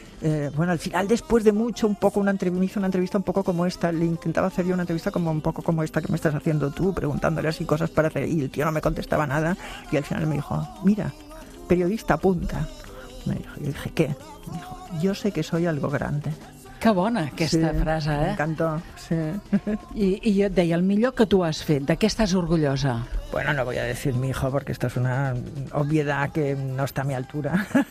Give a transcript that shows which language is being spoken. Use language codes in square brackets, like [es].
[es] al final, después de mucho, me hizo una entrevista un poco como esta. Le intentaba hacer yo una entrevista como un poco como esta que me estás haciendo tú, preguntándole así cosas para hacer, y el tío no me contestaba nada. Y al final me dijo, mira, periodista punta. Me dijo, yo dije, ¿qué? Me dijo, yo sé que soy algo grande. [ca] Que bona aquesta sí, frase, eh? M'encantó, sí. I jo et deia, el millor que tu has fet, de què estàs orgullosa? [es] Bueno, no voy a decir mi hijo, porque esto es una obviedad que no está a mi altura.